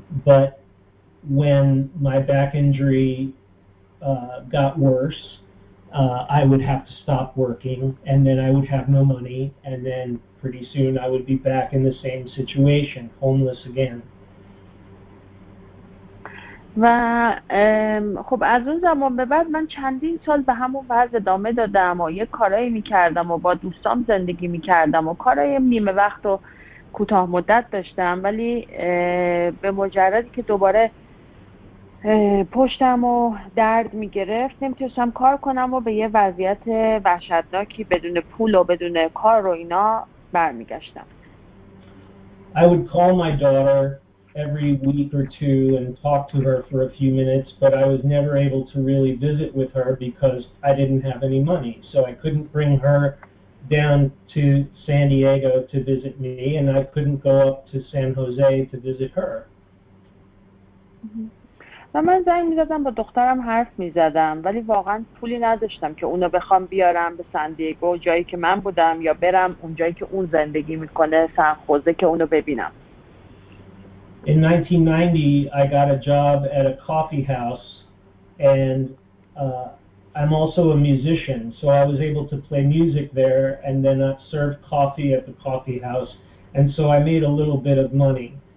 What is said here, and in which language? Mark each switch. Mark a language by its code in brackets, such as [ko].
[en] But when my back injury got worse, I would have to stop working and then I would have no money and then pretty soon I would be back in the same situation, homeless again. [fa] و خب از اون زمان به بعد من چندین سال به همون وضع ادامه دادم و یه کارایی میکردم و با دوستام زندگی میکردم و کارای نیمه وقت و کوتاه مدت داشتم، ولی به مجردی که دوباره پشتم و درد میگرفت نمیتونستم کار کنم و به یه وضعیت وحشتناکی بدون پول و بدون کار رو اینا برمیگشتم. [en] I would call my daughter every week or two and talk to her for a few minutes, but I was never able to really visit with her because I didn't have any money. So I couldn't bring her down to San Diego to visit me, and I couldn't go up to San Jose to visit her. [fa] و من زنگ می‌زدم با دخترم حرف می‌زدم، ولی واقعاً پولی نداشتم که اونو بخوام بیارم به سان دیگو جایی که من بودم یا برم اون جایی که اون زندگی می‌کنه سان خوزه که اونو ببینم. [en] In 1990, I got a job at a coffee house, and I'm also a musician, so I was able to play music there and then serve coffee at the coffee house, and so I made a little bit of money.